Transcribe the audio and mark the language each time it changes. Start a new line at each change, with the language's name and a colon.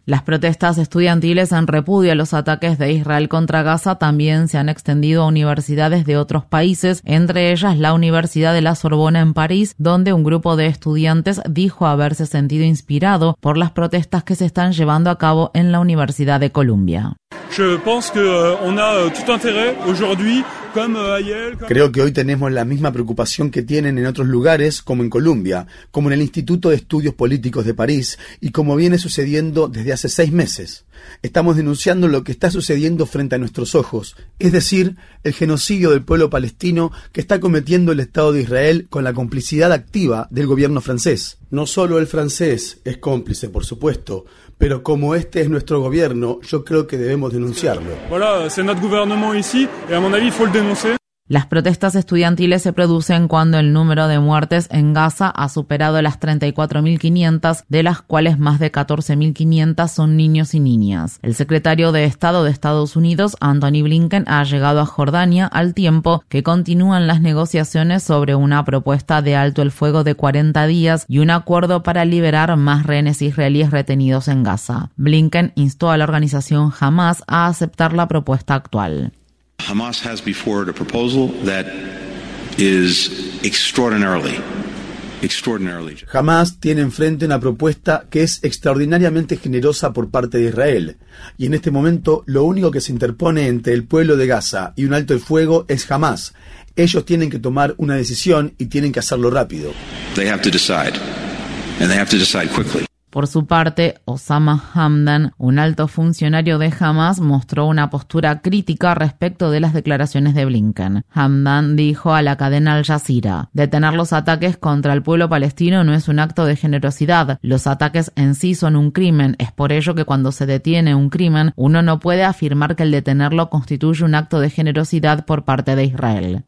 Spanish: Las protestas estudiantiles en repudio a los ataques de Israel contra Gaza también se han extendido a universidades de otros países, entre ellas la Universidad de la Sorbona en París, donde un grupo de estudiantes dijo haberse sentido inspirado por las protestas que se están llevando a cabo en la Universidad de Columbia.
French: Je pense que on a tout intérêt aujourd'hui
Spanish: Creo que hoy tenemos la misma preocupación que tienen en otros lugares, como en Colombia, como en el Instituto de Estudios Políticos de París, y como viene sucediendo desde hace 6 meses. Estamos denunciando lo que está sucediendo frente a nuestros ojos, es decir, el genocidio del pueblo palestino que está cometiendo el Estado de Israel con la complicidad activa del gobierno francés. No solo el francés es cómplice, por supuesto, pero como este es nuestro gobierno, yo creo que debemos denunciarlo.
French: Voilà, c'est notre gouvernement ici, et à mon avis, il faut le dénoncer.
Spanish: Las protestas estudiantiles se producen cuando el número de muertes en Gaza ha superado las 34.500, de las cuales más de 14.500 son niños y niñas. El secretario de Estado de Estados Unidos, Anthony Blinken, ha llegado a Jordania al tiempo que continúan las negociaciones sobre una propuesta de alto el fuego de 40 días y un acuerdo para liberar más rehenes israelíes retenidos en Gaza. Blinken instó a la organización Hamas a aceptar la propuesta actual.
English: Hamas has before it a proposal that is extraordinarily, extraordinarily.
Spanish: Hamas tiene enfrente una propuesta que es extraordinariamente generosa por parte de Israel. Y en este momento, lo único que se interpone entre el pueblo de Gaza y un alto el fuego es Hamas. Ellos tienen que tomar una decisión y tienen que hacerlo rápido.
English: They have to decide, and they have to decide quickly.
Spanish: Por su parte, Osama Hamdan, un alto funcionario de Hamas, mostró una postura crítica respecto de las declaraciones de Blinken. Hamdan dijo a la cadena Al Jazeera: "Detener los ataques contra el pueblo palestino no es un acto de generosidad. Los ataques en sí son un crimen. Es por ello que cuando se detiene un crimen, uno no puede afirmar que el detenerlo constituye un acto de generosidad por parte de Israel".